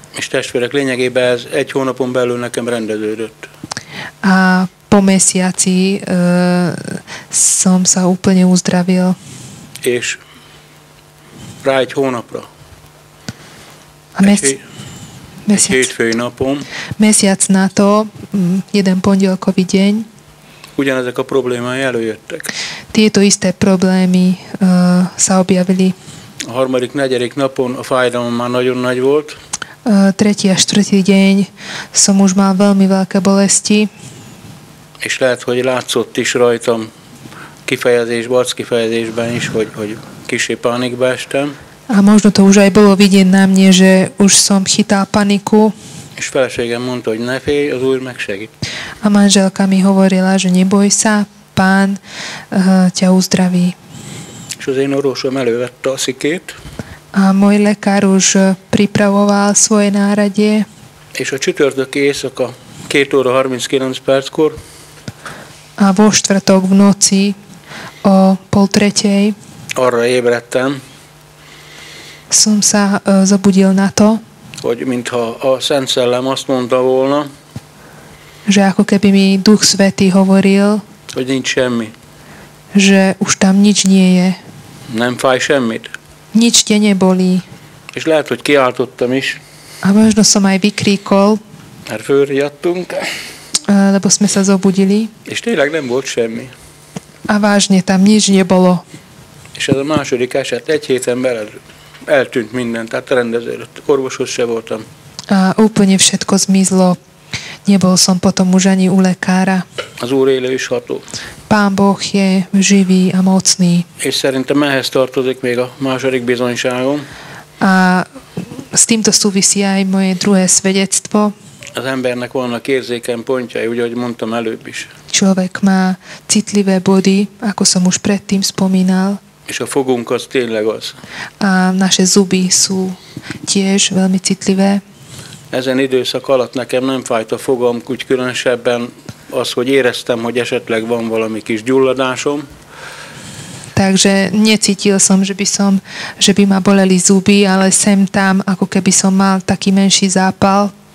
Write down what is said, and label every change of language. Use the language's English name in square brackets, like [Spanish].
[Hungarian] És testvérek, lényegében ez egy hónapon belül nekem rendeződött. [Slovak] A po mesiaci som sa úplne uzdravil. [Hungarian] És rá egy hónapra. [Slovak] A mesiac. [Hungarian] Egy hétfői napon. [Slovak] Mesiac na to, jeden pondelkový deň. [Hungarian] Ugyanezek a problémái előjöttek. [Slovak] Tieto isté problémy sa objavili. [Hungarian] A harmadik, negyedik napon a fájdalom már nagyon nagy volt. [Slovak] Tretí a štvrtý deň som už mal veľmi veľké bolesti. [Hungarian] És lehet, hogy látszott is rajtam arckifejezésben is, hogy kissé pánikba estem. [Slovak] A možno to už aj bolo vidieť na mne, že už som chytal paniku. [Hungarian] És feleségem mondta, hogy ne félj, az Úr megsegít. [Slovak] A manželka mi hovorila, že neboj sa, Pán ťa uzdraví. [Hungarian] És az én orvosom elővette a szikét. [Slovak] A môj lekár už pripravoval svoje náradie. [Hungarian] És a csütörtök éjszaka 2 óra 39 perckor. [Slovak] A vo štvrtok v noci o 2:30. [Hungarian] Arra ébredtem. [Slovak] Som sa zabudil na to. [Hungarian] Hogy mintha a Szent Szellem azt mondta volna, [Slovak] že ako keby mi Duch Svätý hovoril, [Hungarian] hogy nincs semmi, [Slovak] že už tam nič nie je, [Hungarian] nem fáj semmit, [Slovak] nič te nebolí, [Hungarian] és lehet, hogy kiáltottam is, [Slovak] a možno som aj vykríkol, [Hungarian] mert fölriadtunk, [Slovak] lebo sme sa zobudili, [Hungarian] és tényleg nem volt semmi, [Slovak] a vážne tam nič nebolo, [Hungarian] és ez a második eset egy héten belül eltűnt minden, tehát rendeződött. Orvoshoz se voltam. [Slovak] A úplne všetko zmizlo. Nebol som potom už ani u lekára. [Hungarian] Az Úr élő és ható. [Slovak] Pán Boh je živý a mocný. [Hungarian] És szerintem ehhez tartozik még a második bizonyságom. [Slovak] A s týmto súvisí aj moje druhé svedectvo. [Hungarian] Az embernek vannak érzéken pontjai, úgy, ahogy mondtam előbb is. [Slovak] Človek má citlivé body, ako som už predtým spomínal. [Hungarian] És a fogunk az tényleg az. [Slovak] A naše zuby sú tiež veľmi citlivé. [Hungarian] Ezen időszak alatt nekem nem fájt a fogam, úgy különösebben az, hogy éreztem, hogy esetleg van valami kis gyulladásom. [Slovak] Takže necítil som, že by ma boleli zuby, ale sem tam, ako keby som mal taký menší zápal.